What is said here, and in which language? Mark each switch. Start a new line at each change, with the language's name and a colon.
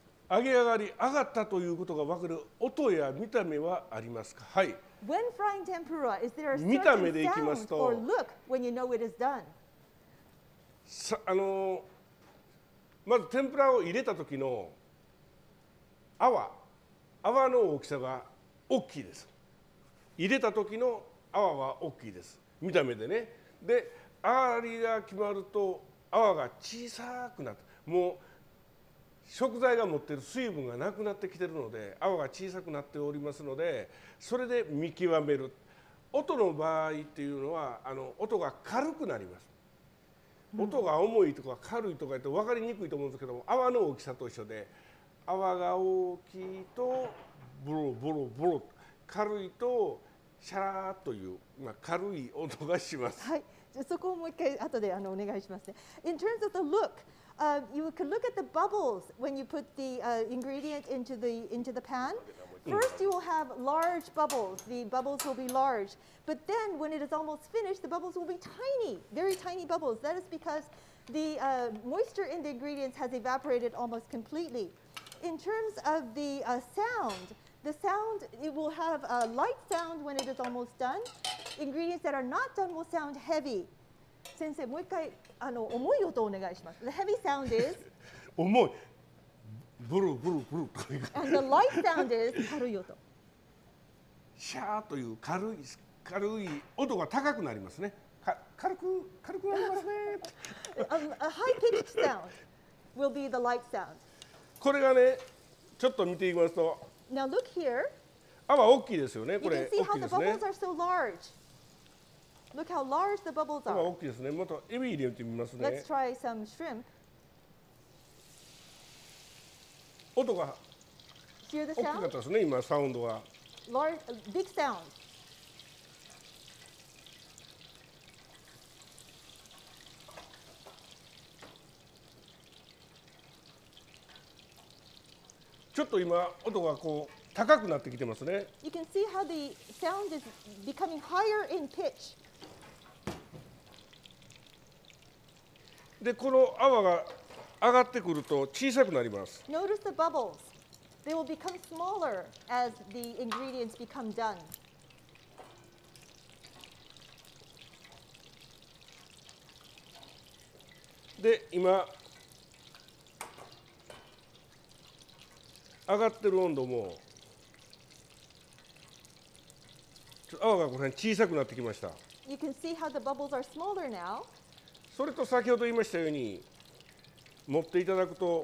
Japanese: 揚げ上がり、揚がったということが分かる音や見た目はありますか？はい。
English: When frying tempura, is there a certain sound or look when you know it is done?
Japanese: まず天ぷらを入れた時の泡の大きさが大きいです。入れた時の泡は大きいです。見た目でね。で、揚がりが決まると泡が小さくなって、もう食材が持っている水分がなくなってきているので、泡が小さくなっておりますので、それで見極める。音の場合っていうのは、音が軽くなります。音が重いとか軽いとか言って分かりにくいと思うんですけども、泡の大きさと一緒で、泡が大きいとボロボロボロ、軽いとシャラーという、軽い音がします。はい、じゃそこをもう一回後でお願いしますね。
English: In terms of the look,you can look at the bubbles when you put the ingredient into the pan. First, you will have large bubbles. The bubbles will be large. But then, when it is almost finished, the bubbles will be tiny, very tiny bubbles. That is because the moisture in the ingredients has evaporated almost completely. In terms of the sound, it will have a light sound when it is almost done. Ingredients that are not done will sound heavy.
Japanese: 先生、もう一回重い音をお願いします。
English: The heavy sound is
Japanese: 重い。ブルブルブル。
English: And the light sound is
Japanese: 軽い音。シャーという軽い音が高くなりますね。軽くなりますね。
English: a high pitched sound will be the light sound。
Japanese: これがね、ちょっと見ていきますと。
English: Now look here。
Japanese: 泡大きいですよね。これ大きいですね。
English: You can see how the bubbles are so large. Look how large the bubbles are.
Japanese: 大きいですね。またエビ入れてみますね。
English: Let's try some shrimp.
Japanese: 音が大きかったですね。今サウンドは。
English: Large, big sound.
Japanese: ちょっと今音がこう高くなってきてますね。
English: You can see how the sound is becoming higher in pitch.
Japanese: でこの泡が上がってくると小さくなります。
English: Notice the bubbles. They will become smaller as the ingredients become done.
Japanese: で今上がってる温度も泡がこの辺小さくなってきました。
English: You can see how the bubbles are smaller now.
Japanese: それと先ほど言いましたように持っていただくと、